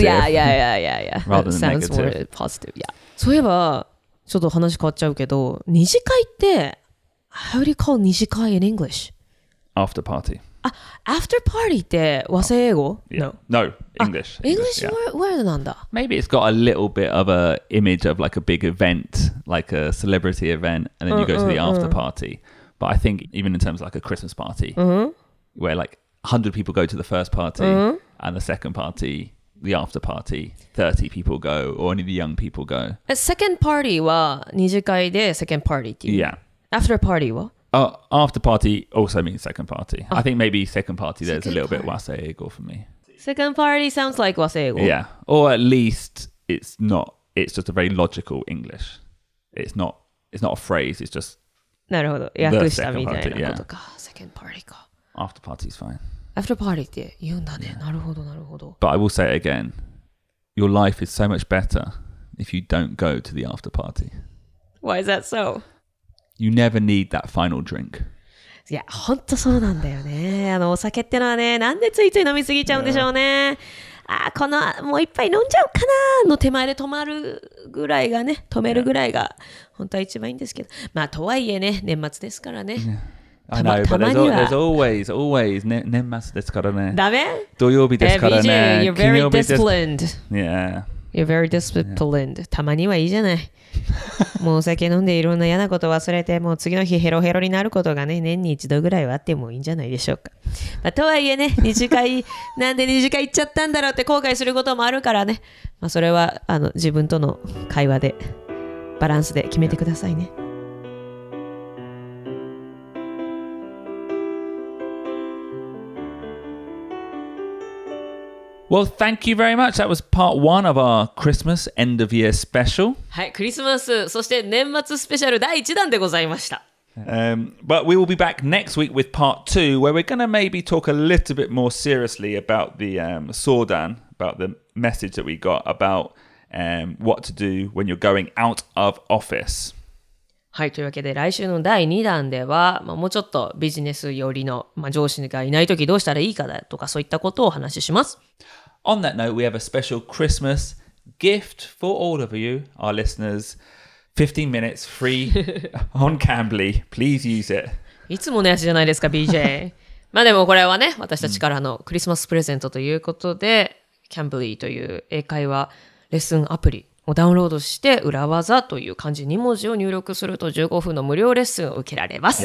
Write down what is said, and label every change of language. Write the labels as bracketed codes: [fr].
[en] Yeah. Rather than negative. Sounds more positive, yeah. [ja] そういえば、ちょっと話変わっちゃうけど、二次会って、 [en] How do you call 二次会 in English? After party. [ja] After party って和製英語、 [en] yeah. No, English. English、yeah. word [ja] なんだ。 [en] Maybe it's got a little bit of an image of like a big event, like a celebrity event, and then you go to the after party. But I think even in terms of like a Christmas party, where like 100 people go to the first party, and the second party, the after party, 30 people go, or only the young people go. [ja] A second party は二次会で second party っていう。 [en] Yeah. [ja] After party は? [en] After party also means second party. I think maybe second party there's second a little bit waseigo for me. Second party sounds like waseigo. Yeah. Or at least it's not, it's just a very logical English. It's not a phrase, it's just [ja] なるほど。訳したみたいなことか。 [en] Yeah. Second party か。 After party is fine. [ja] After party って言うんだね。なるほど、なるほど。 [en] But I will say it again. Your life is so much better if you don't go to the after party. Why is that so? You never need that final drink. [ja] いや、本当そうなんだよね。あのお酒ってのはね、なんでついつい飲みすぎちゃうんでしょうね。 Yeah. あ、このもう一杯飲んじゃうかなの手前で止まるぐらいがね、止めるぐらいが本当は一番いいんですけど。まあとはいえね、年末ですからね。 [en] Yeah. I know, but there's always, always [ja] 年末ですからね。ダメ？土曜日ですからね。 [en] BJ, you're very disciplined. Yeah. You're very disciplined.、 [ja] Yeah. たまにはいいじゃない。もうお酒飲んでいろんな嫌なことを忘れて、もう次の日ヘロヘロになることがね、年に一度ぐらいはあってもいいんじゃないでしょうか。まあ、とはいえね、二次会、なんで二次会行っちゃったんだろうって後悔することもあるからね。まあ、それはあの自分との会話で、バランスで決めてくださいね。 [en] Yeah. Well, thank you very much. That was part one of our Christmas end of year special. [ja] はい、クリスマス、そして年末スペシャル第一弾でございました。 [en] But we will be back next week with part two, where we're going to maybe talk a little bit more seriously about the sōdan, about the message that we got about what to do when you're going out of office. [ja] はい、というわけで来週の第2弾では、まあ、もうちょっとビジネス寄りの、まあ、上司がいないときどうしたらいいかだとかそういったことをお話しします。 [en] On that note, we have a special Christmas gift for all of you, our listeners. 15 minutes free on Cambly. Please use it. [ja] いつものやつじゃないですか、BJ。まあでもこれはね、私たちからのクリスマスプレゼントということで、Cambly という英会話レッスンアプリをダウンロードして、裏技という漢字2文字を入力すると15分の無料レッスンを受けられます。